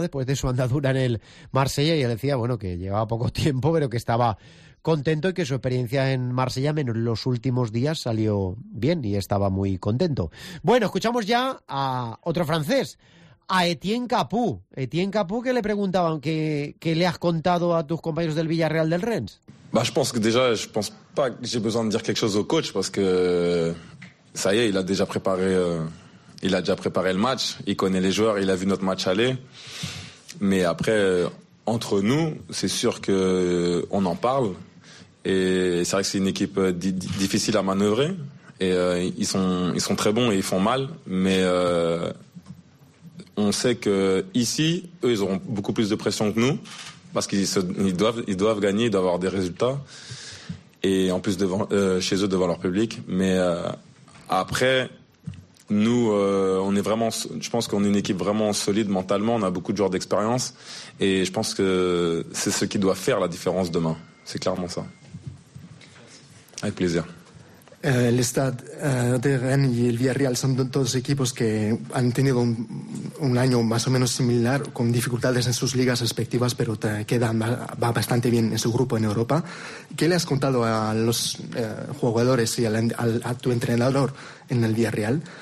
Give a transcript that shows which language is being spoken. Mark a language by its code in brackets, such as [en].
[es] Después de su andadura en el Marsella, y él decía, bueno, que llevaba poco tiempo, pero que estaba contento y que su experiencia en Marsella, menos los últimos días, salió bien y estaba muy contento. Bueno, escuchamos ya a otro francés, a Etienne Capoue, que le preguntaban qué le has contado a tus compañeros del Villarreal del Rennes. [fr] Bah, je pense pas que j'ai besoin de dire quelque chose au coach, parce que ça y est, il a déjà préparé le match, il connaît les joueurs, il a vu notre match aller. Mais après, entre nous, c'est sûr que on en parle, et c'est vrai que c'est une équipe difficile à manœuvrer, et ils sont très bons et ils font mal, mais on sait que ici, eux, ils auront beaucoup plus de pression que nous, parce qu'ils doivent gagner, ils doivent avoir des résultats, et en plus devant chez eux, devant leur public. Mais après, nous, on est vraiment, je pense qu'on est une équipe vraiment solide mentalement, on a beaucoup de joueurs d'expérience, et je pense que c'est ce qui doit faire la différence demain. C'est clairement ça. Avec plaisir. [es] El Stade de Rennes y el Villarreal son todos equipos que han tenido un año más o menos similar, con dificultades en sus ligas respectivas, pero va bastante bien en su grupo en Europa. ¿Qué le has contado a los jugadores y a tu entrenador en el Villarreal?